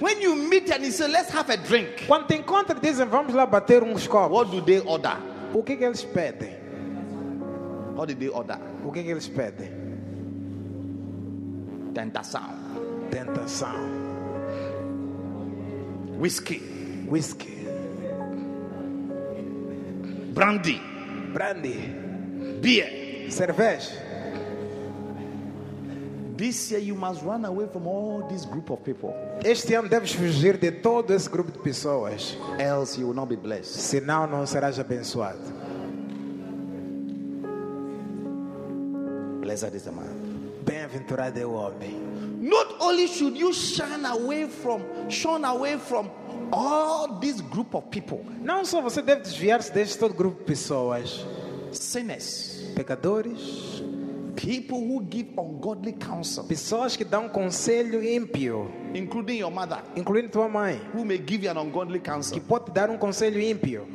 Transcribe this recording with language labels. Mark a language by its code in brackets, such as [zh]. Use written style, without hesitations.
[en] When you meet and you say, let's have a drink. [pt] Quando te encontram, dizem, vamos lá bater uns copos. [en] What do they order? [pt] O que eles pedem? [en] What do they order? [pt] O que eles pedem? Tentação. Tentação. [en] Whiskey. Whiskey. Brandy. Brandy. Beer. [pt] Cerveja. [en] This year you must run away from all this group of people. [pt] Este ano deves fugir de todo esse grupo de pessoas. [en] Else you will not be blessed. [pt] Senão não serás abençoado. [en] Blessed is the man. [pt] Bem-aventurado é o homem. [en] Not only should you shun away from all this group of people. [pt] Não só você deve desviar-se deste todo grupo de pessoas. [en] Sinners, [pt] pecadores, [en] people who give ungodly counsel. [pt] Pessoas que dão conselho ímpio, [en] including your mother, [pt] incluindo tua mãe, [en] who may give you an ungodly counsel. [pt] Que pode dar conselho ímpio.